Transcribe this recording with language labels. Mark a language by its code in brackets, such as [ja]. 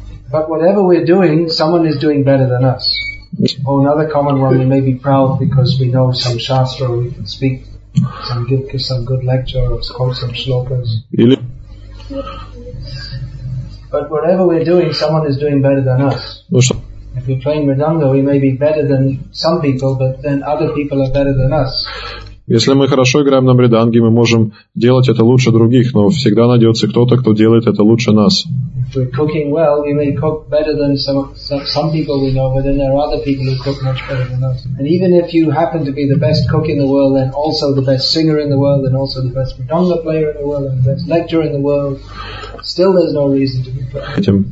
[en] But whatever we're doing, someone is doing better than us. Or another common one, we may be proud because we know some shastra, we can speak some, give some good lecture or quote some shlokas. But whatever we're doing, someone is doing better than us. If we're playing mridanga, we may be better than some people, but then other people are better than us. [ru] Если мы хорошо играем на мриданге, мы можем делать это лучше других, но всегда найдется кто-то, кто делает это лучше нас. [en] If we're cooking well, we may cook better than some people we know, but then there are other people who cook much better than us. And even if you happen to be the best cook in the world, and also the best singer in the world, and also the best mridanga player in the world, and the best lecturer in the world, still there's no reason to be proud.